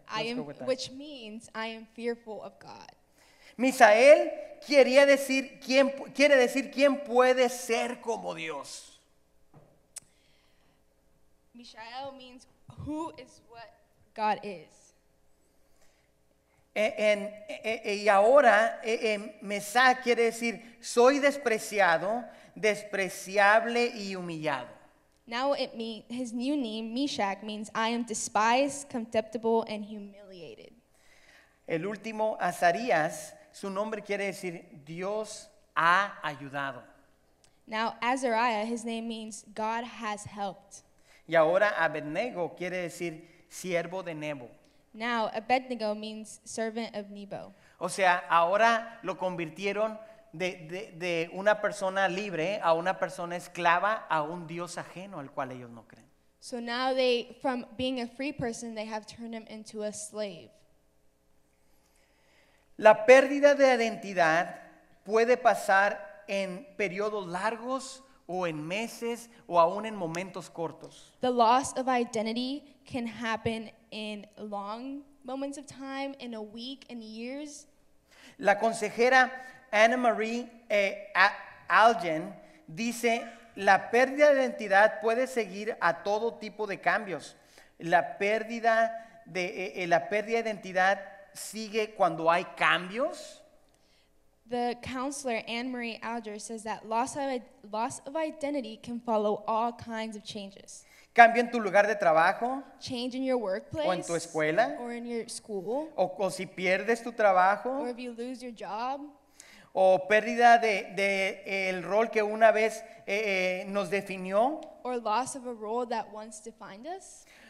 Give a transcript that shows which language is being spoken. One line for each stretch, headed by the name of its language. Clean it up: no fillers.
English: I am, which means I am fearful of God.
Spanish: Misael quiere decir quién puede ser como Dios.
English: Mishael means who is what God is.
Spanish: Y ahora Mesá quiere decir soy despreciado, despreciable y humillado.
English: Now it means his new name, Meshach, means I am despised, contemptible, and humiliated.
Spanish: El último, Azarías, su nombre quiere decir Dios ha ayudado.
English: Now Azariah, his name means God has helped.
Spanish: Y ahora Abednego quiere decir siervo de Nebo.
English: Now Abednego means servant of Nebo.
Spanish: O sea, ahora lo convirtieron de una persona libre a una persona esclava a un Dios ajeno al cual ellos no creen.
English: So now they, from being a free person, they have turned him into a slave.
Spanish: La pérdida de identidad puede pasar en periodos largos o en meses o aún en momentos cortos.
English: The loss of identity can happen in long moments of time, in a week, in years.
Spanish: La consejera Anna Marie Algen dice, la pérdida de identidad puede seguir a todo tipo de cambios. La pérdida de identidad sigue cuando hay cambios.
English: The counselor Anne Marie Alger says that loss of identity can follow all kinds of changes.
Spanish: Cambio en tu lugar de trabajo.
English: Change in your workplace.
Spanish: O en tu escuela.
English: Or in your school.
Spanish: O si pierdes tu trabajo.
English: Or if you lose your job.
Spanish: o pérdida de el rol que una vez nos definió,
English: or loss of a role that once defined us,